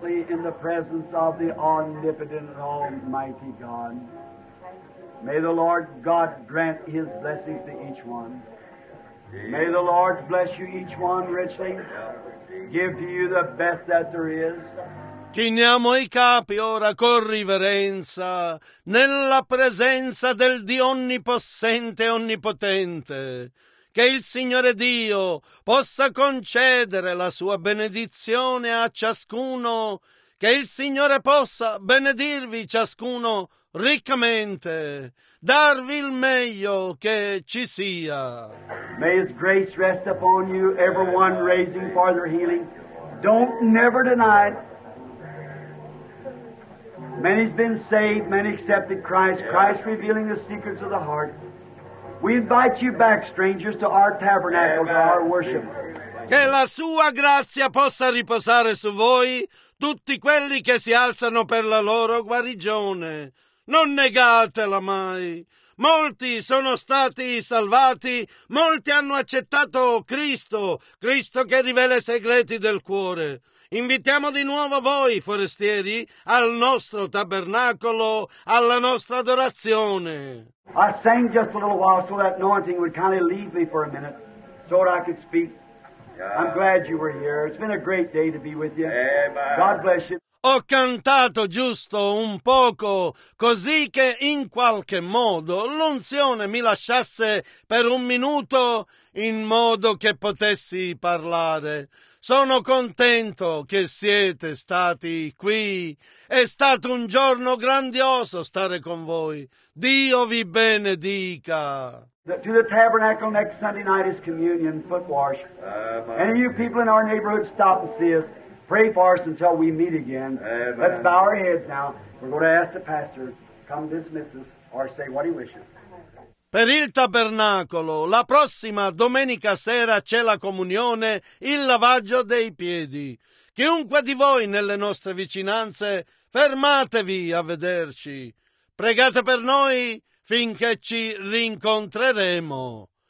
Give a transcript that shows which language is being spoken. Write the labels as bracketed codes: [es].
[en] in the presence of the omnipotent and almighty God. May the Lord God grant his blessings to each one. May the Lord bless you each one richly, give to you the best that there is. [it] Chiniamo i capi ora con riverenza nella presenza del Dio onnipossente e onnipotente. Che il Signore Dio possa concedere la sua benedizione a ciascuno Che il Signore possa benedirvi ciascuno riccamente, darvi il meglio che ci sia. [en] May His grace rest upon you, everyone raising farther healing. Don't never deny it. Many's been saved, many accepted Christ. Christ revealing the secrets of the heart. We invite you back, strangers, to our tabernacle, to our worship. [it] Che la sua grazia possa riposare su voi, tutti quelli che si alzano per la loro guarigione. Non negatela mai. Molti sono stati salvati, molti hanno accettato Cristo, Cristo che rivela i segreti del cuore. Invitiamo di nuovo voi, forestieri, al nostro tabernacolo, alla nostra adorazione. [en] I sang just a little while so that anointing would kind of leave me for a minute so that I could speak. I'm glad you were here. It's been a great day to be with you. God bless you. [it] Ho cantato giusto un poco, così che in qualche modo l'unzione mi lasciasse per un minuto in modo che potessi parlare. Sono contento che siete stati qui. È stato un giorno grandioso stare con voi. Dio vi benedica. [en] To the tabernacle next Sunday night is communion, foot wash. Any of you people in our neighborhood stop and see us. Pray for us until we meet again. Amen. Let's bow our heads now. We're going to ask the pastor to come dismiss us or say what he wishes. [it] Per il tabernacolo, la prossima domenica sera c'è la comunione, il lavaggio dei piedi. Chiunque di voi nelle nostre vicinanze, fermatevi a vederci. Pregate per noi finché ci rincontreremo.